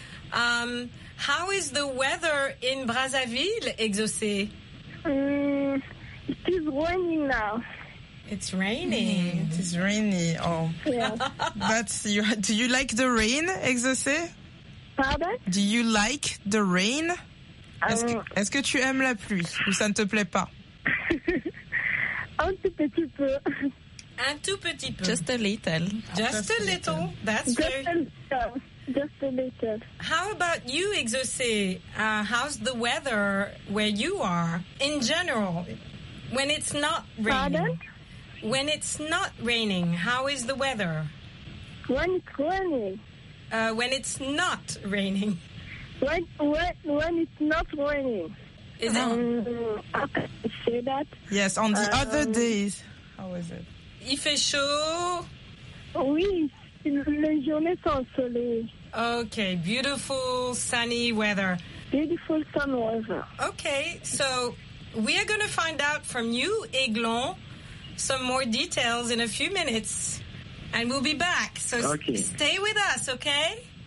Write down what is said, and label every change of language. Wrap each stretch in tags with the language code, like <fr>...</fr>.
<en>How is the weather in Brazzaville, exaucé? It is raining now. It's raining. Mm. It is rainy. Oh. Yeah. Do you like the rain, exaucé?</en> <fr>Pardon?</fr> <en>Do you like the rain?</en> <fr>Est-ce que tu aimes la pluie ou ça ne te plaît pas? Un tout petit peu. Un tout petit peu.</fr> <en>Just a little. Just a little. That's just very... A little. Just a little. How about you, Exaucé? How's the weather where you are in general? When it's not raining?</en> <fr>Pardon?</fr> <en>When it's not raining, how is the weather? When it's raining. When it's not raining. When it's not raining. Is it? How can I say that? Yes, on the other days. How is it?</en> <fr>Il fait chaud. Oui, les journées sont soleil.</fr> <en>Okay, beautiful sunny weather. Beautiful sun weather. Okay, so we are going to find out from you, Aiglon, some more details in a few minutes, and we'll be back. So okay. Stay with us, okay?</en>